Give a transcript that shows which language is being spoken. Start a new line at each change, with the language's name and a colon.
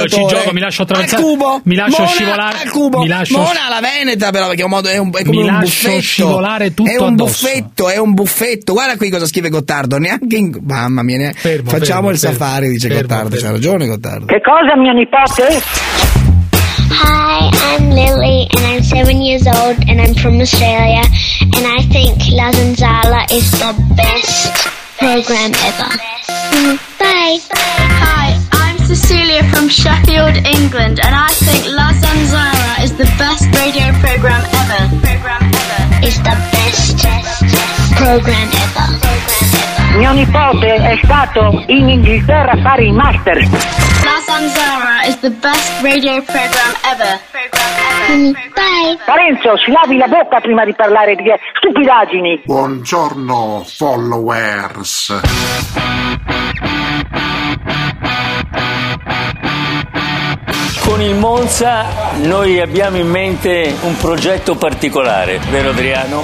Italian: Io rido, ci gioco, mi lascio attraversare. Al cubo. Mi lascio Mona scivolare. Al cubo. Mi lascio... Mona alla Veneta però, perché è come mi un buffetto. Mi lascio scivolare tutto È un buffetto, è un buffetto. Guarda qui cosa scrive Gottardo. Neanche in... Mamma mia. Fermo, facciamo il fermo. Safari, dice fermo, Gottardo. Fermo. C'ha ragione Gottardo. Che cosa mio nipote?
English: Hi, I'm Lily, and I'm 7 years old, and I'm from Australia, and I think La Zanzara is the best program ever. Bye. Hi, I'm Cecilia from Sheffield, England, and I think La Zanzara is the best radio program ever. It's the best program ever.
Italian: Mio nipote è stato in Inghilterra a fare i master.
English: La Zanzara is the best radio program ever. Bye.
Italian: Parenzo, si lavi la bocca prima di parlare di stupidaggini. Buongiorno, followers. Con il Monza noi abbiamo in mente un progetto particolare, vero Adriano?